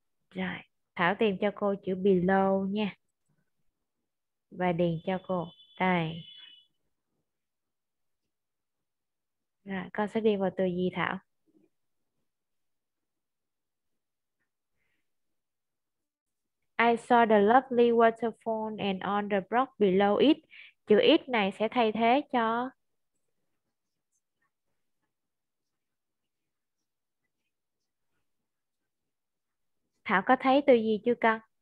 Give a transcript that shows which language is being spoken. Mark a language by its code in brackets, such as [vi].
[vi] Rồi, Thảo tìm cho cô chữ below nha. Và điền cho cô. Đây. Rồi, con sẽ điền vào từ gì Thảo? [en] I saw the lovely waterfall and on the rock below it. [vi] Chữ it này sẽ thay thế cho Thảo có thấy từ gì chưa con?